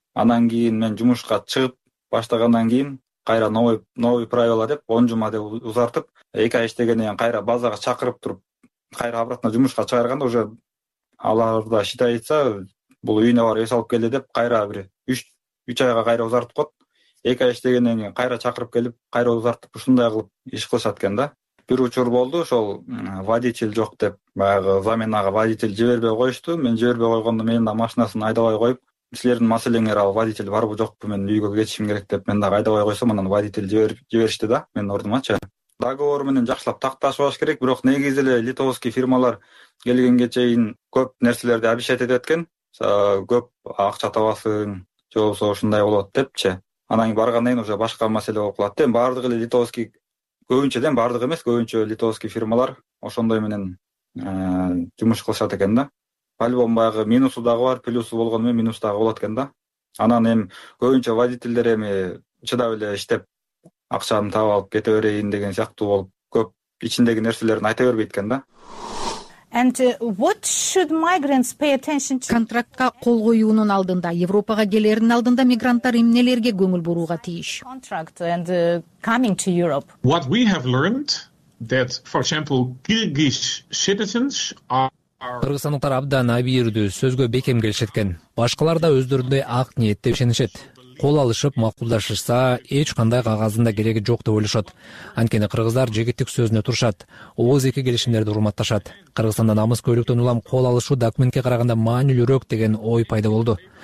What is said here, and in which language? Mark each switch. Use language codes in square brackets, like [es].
[ky] Анан кийин мен жумушка чыгып баштагандан кийин кайра [ru] новый правила [ky] деп 10 жума деп узартып, 2 ай иштегенден кийин кайра базага чакырып туруп, кайра [ru] обратно [ky] жумушка чыгарганда [ru] уже [ky] аларда [ru] считается, [ky] бул үйүнө барып эс алып келди деп кайра бир 3 айга кайра узартып коет. 2 ай иштегенден кийин кайра чакырып келип, кайра узартып ушундай кылып иш кылышат экен да. Бир учур болду, ошол водитель жок деп баягы заменага водитель жибербей коюшту. Мен жибербей койгондо менин да машинасын айдабай коюп, силердин маселеңер ал водитель барбы жокпу, мен үйгө кетишим керек деп мен дагы айдабай койсом, анан водитель жиберишти да менин ордумачы. Договор менен жакшылап такташбаш керек, бирок негизи эле литовский фирмалар келгенге чейин көп нерселерди [ru] обещать [ky] этет экен, көп акча табасың, же болбосо ушундай болот депчи. Анан кийин баргандан кийин уже башка маселе болуп калат да. Эми баардыгы эле литовский, көбүнчө да, баардыгы эмес, көбүнчө литовский фирмалар ошондой менен жумуш кылышат экен да. [ru] По-любому [ky] баягы минусу дагы бар, плюсу болгону менен минусу дагы болот экен да. Анан эми көбүнчө водительдер эми чыдап эле иштеп акчаны таап алып кете берейин деген сыяктуу болуп, көп ичиндеги нерселерин айта бербейт экен да. [en] And what should migrants pay attention to? [ky] Контрактка кол коюунун алдында, Европага келердин алдында мигранттар эмнелерге көңүл бурууга тийиш? [en] Contract and coming to Europe. What we have learned that, for example, Kyrgyz citizens are [ky] Кыргызстандыктар абдан абийирдүү, сөзгө бекем келишет экен. Башкалар да өздөрүндөй ак ниетте ишенишет. Кол алышып макулдашышса, эч кандай кагазынын да кереги жок деп ойлошот. Анткени кыргыздар жегиттик сөзүнө турушат, ооз эки келишимдерди урматташат. Кыргызстанда намыс көйлөктөн улам кол алышуу документке караганда маанилүүрөөк деген ой пайда болду.